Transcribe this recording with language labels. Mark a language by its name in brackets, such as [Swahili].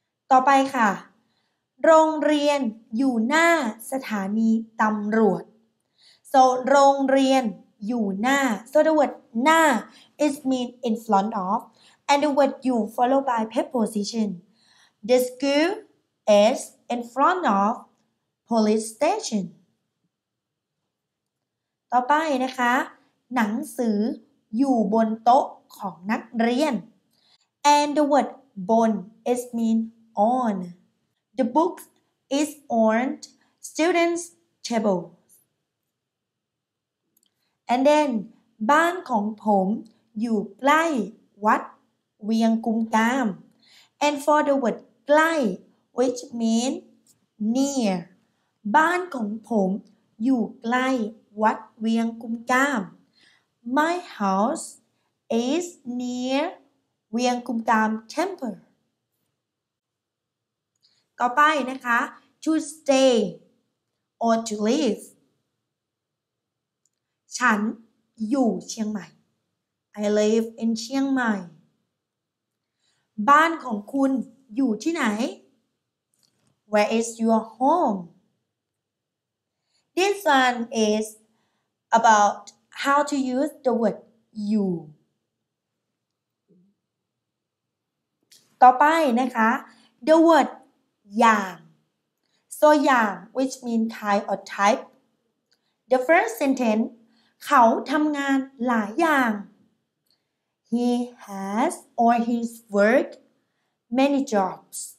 [Thai] ต่อไปค่ะโรงเรียนอยู่หน้าสถานีตำรวจ [English] so [Thai] โรงเรียนอยู่หน้า [English] so the word หน้า is mean in front ofAnd the word you followed by preposition. The school is in front of police station. [Thai] ต่อไปนะคะหนังสืออยู่บนโต๊ะของนักเรียน [English] And the word บน is mean on. The book is on students' table. And then [Thai] บ้านของผมอยู่ใกล้วัดเวียงกุมกาม [English] and for the word ใกล้ which means near [Thai] บ้านของผมอยู่ใกล้วัดเวียงกุมกาม [English] My house is near เวียงกุมกาม temple [Thai] ต่อไปนะคะ [English] to stay or to live [Thai] ฉันอยู่เชียงใหม่ [English] I live in เชียงใหม่ [Thai] บ้านของคุณอยู่ที่ไหน [English] Where is your home? This one is about how to use the word you. [Thai] ต่อไปนะคะ [English] The word อย่าง So อย่าง which means kind or type. The first sentence [Thai] เขาทำงานหลายอย่าง [English] He has or his work many jobs.